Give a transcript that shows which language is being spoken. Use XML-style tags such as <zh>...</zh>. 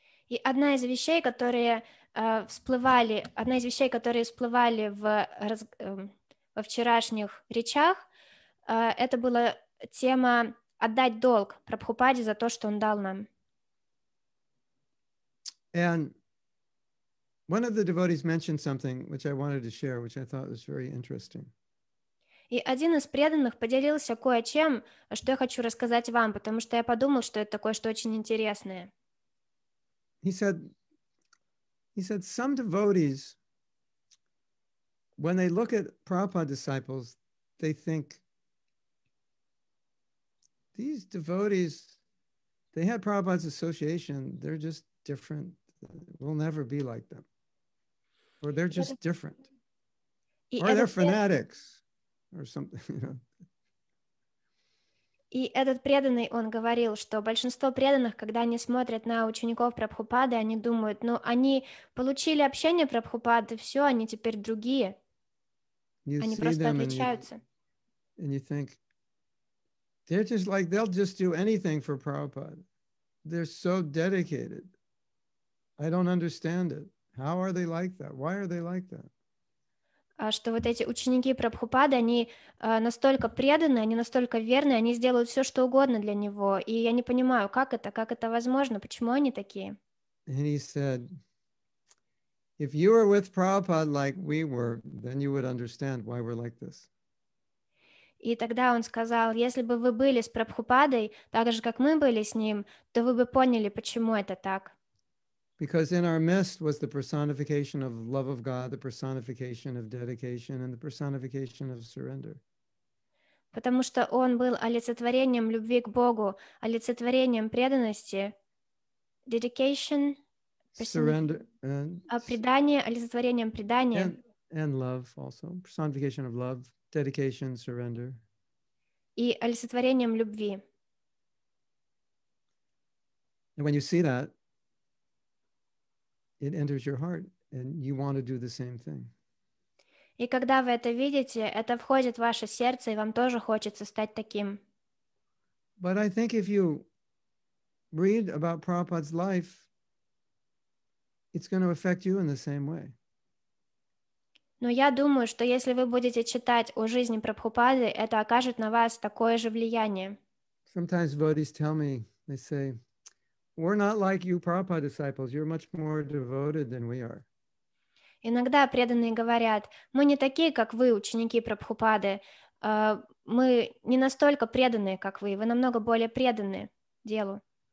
<ru>И одна из вещей, которые всплывали, одна из вещей, которые всплывали во вчерашних речах, это была тема отдать долг Прабхупаде за то, что он дал нам.</ru> <en>And one of the devotees mentioned something which I wanted to share, which I thought was very interesting.</en> <ru>И один из преданных поделился кое-чем, что я хочу рассказать вам, потому что я подумал, что это кое-что очень интересное.</ru> <en>He said, He said, some devotees, when they look at Prabhupada disciples, they think, these devotees, they had Prabhupada's association, they're just different. We'll never be like them. Or they're just different. Or they're fanatics. Or something, you know.</en> <ru>И этот преданный, он говорил, что большинство преданных, когда они смотрят на учеников Прабхупады, они думают, ну, они получили общение Прабхупады, все, они теперь другие.</ru> <en>You</en> <ru>они просто отличаются.</ru> <en>And you think, they're just like, they'll just do anything for Prabhupada. They're so dedicated. I don't understand it. How are they like that? Why are they like that?</en> <ru>Что вот эти ученики Прабхупады, они настолько преданы, они настолько верны, они сделают все, что угодно для него. И я не понимаю, как это возможно, почему они такие?</ru> <en>And he said, if you were with Prabhupada like we were, then you would understand why we're like this.</en> <ru>И тогда он сказал, если бы вы были с Прабхупадой, так же, как мы были с ним, то вы бы поняли, почему это так.</ru> <en>Because in our midst was the personification of love of God, the personification of dedication, and the personification of surrender.</en> <ru>Потому что он был олицетворением любви к Богу, олицетворением преданности, dedication,</ru> <en>surrender, and</en> <ru>предание, олицетворением предания.</ru> <en>And love also, personification of love, dedication, surrender.</en> <ru>И олицетворением любви.</ru> <en>And when you see that, it enters your heart, and you want to do the same thing.</en> <ru>И когда вы это видите, это входит в ваше сердце, и вам тоже хочется стать таким.</ru> <en>But I think if you read about Prabhupada's life, it's going to affect you in the same way.</en> <ru>Но я думаю, что если вы будете читать о жизни Прабхупады, это окажет на вас такое же влияние.</ru> <en>Sometimes devotees tell me, they say, we're not like you, Prabhupada disciples. You're much more devoted than we are.</en> <ru>Иногда преданные говорят, мы не такие, как вы, ученики Прабхупады. Мы не настолько преданные, как вы. Вы намного более преданы делу.</ru>